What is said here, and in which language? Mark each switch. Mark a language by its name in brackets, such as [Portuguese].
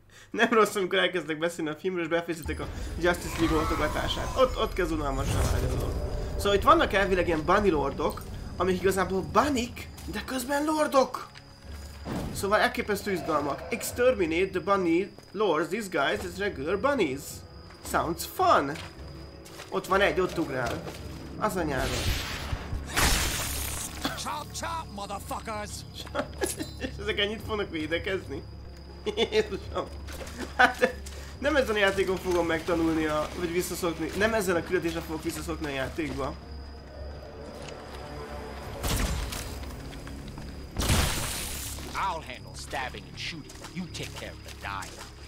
[Hungarian] Nem rossz, amikor elkezdek beszélni a filmről, és befejezitek a Justice League oltogatását. Ott kezd unalmasan vágy a dolog. Szóval itt vannak elvileg ilyen bunny lordok, amik igazából bunnyk, de közben lordok! Szóval elképesztő izgalmak. [English] Exterminate the bunny lords disguised as regular bunnies. Sounds fun! [Hungarian] Ott van egy, ott ugrál. Az a nyelv. [English] Chop chop, motherfuckers! [Hungarian] És ezek ennyit fognak védekezni? Jézusom! Hát nem ezen a játékon fogom megtanulni, vagy visszaszokni. Nem ezen a küldetésen fogok visszaszokni a játékba. [English] I'll handle stabbing and shooting. You take care of the dying.